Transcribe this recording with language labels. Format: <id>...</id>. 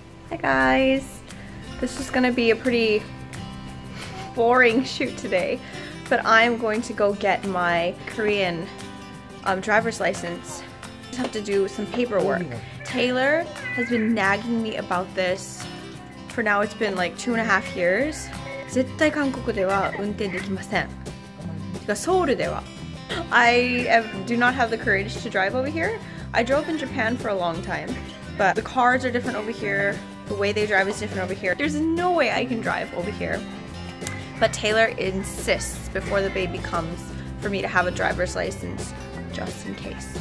<en>Hi guys, this is gonna be a pretty boring shoot today, but I'm going to go get my Korean driver's license. I have to do some paperwork. Taylor has been nagging me about this for now. It's been like 2.5 years.</en> <ja>絶対韓国では運転できません。てかソウルでは。</ja> <en>I do not have the courage to drive over here. I drove in Japan for a long time, but the cars are different over here. The way they drive is different over here. There's no way I can drive over here. But Taylor insists before the baby comes for me to have a driver's license just in case.</en>